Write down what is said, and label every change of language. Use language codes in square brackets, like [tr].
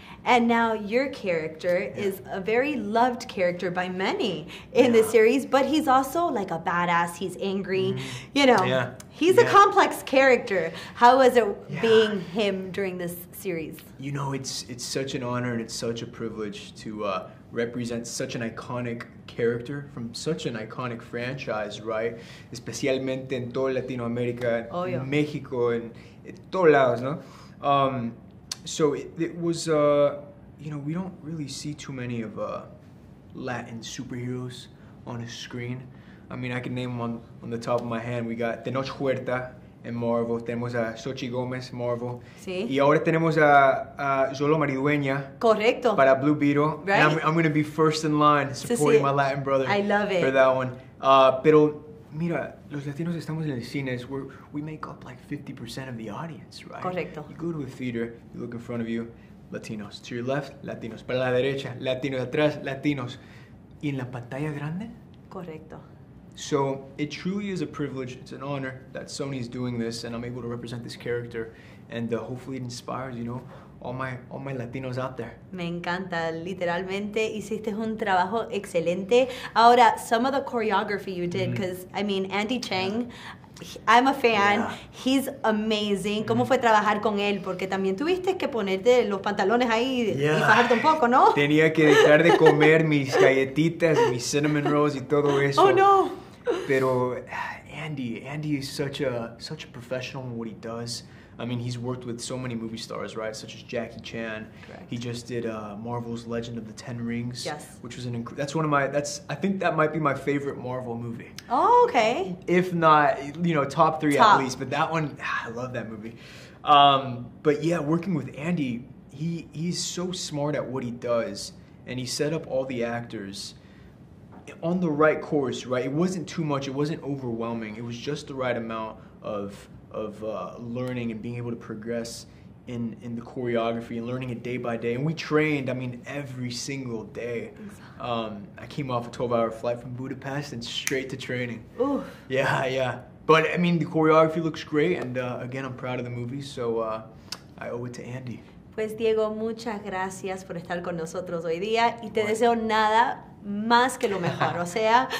[en] And now your character is a very loved character by many in the series, but he's also like a badass, he's angry, you know. Yeah. He's a complex character. How was it being him during this series? You know, it's such an honor and it's such a privilege to represent such an iconic character from such an iconic franchise, right? [es] Especialmente en toda Latinoamérica, México, en todos lados, ¿no? [en] So it was, you know, we don't really see too many of Latin superheroes on a screen. I mean, I can name them on the top of my hand. We got Tenoch Huerta in Marvel. [es] Tenemos a Xochitl Gomez, Marvel. Sí. Y ahora tenemos a Zolo Maridueña. Correcto. Para Blue Beetle. [en] Right. And I'm going to be first in line supporting my Latin brother. I love it. For that one. [es] Pero, mira, los Latinos estamos en el cine. [en] We make up like 50% of the audience, right? [es] Correcto. [en] You go to a theater, you look in front of you, Latinos. To your left, Latinos. [es] Para la derecha, Latinos. Atrás, Latinos. Y en la pantalla grande? Correcto. [en] So it truly is a privilege, it's an honor that Sony's doing this and I'm able to represent this character, and hopefully it inspires, you know, all my Latinos out there. [es] Me encanta, literalmente hiciste un trabajo excelente. [en] Ahora, some of the choreography you did, because, I mean, Andy Chang, I'm a fan, he's amazing. [es] ¿Cómo fue trabajar con él? Porque también tuviste que ponerte los pantalones ahí y bajarte un poco, ¿no? Tenía que dejar de comer mis galletitas, mis [en] cinnamon rolls [es] y todo eso. [en] Oh, no. Pero Andy is such a professional in what he does. I mean, he's worked with so many movie stars, right? Such as Jackie Chan. Correct. He just did Marvel's Legend of the Ten Rings. Yes. Which was I think that might be my favorite Marvel movie. Oh, okay. If not, you know, top three top. At least. But that one, I love that movie. But yeah, working with Andy, he's so smart at what he does. And he set up all the actors on the right course, right? It wasn't too much. It wasn't overwhelming. It was just the right amount of learning and being able to progress in the choreography and learning it day by day. And we trained, I mean, every single day. I came off a 12-hour flight from Budapest and straight to training. Ooh. Yeah. But, I mean, the choreography looks great. And, again, I'm proud of the movie, so I owe it to Andy. [es] Pues, Diego, muchas gracias por estar con nosotros hoy día. Y te deseo nada más que lo mejor. O sea,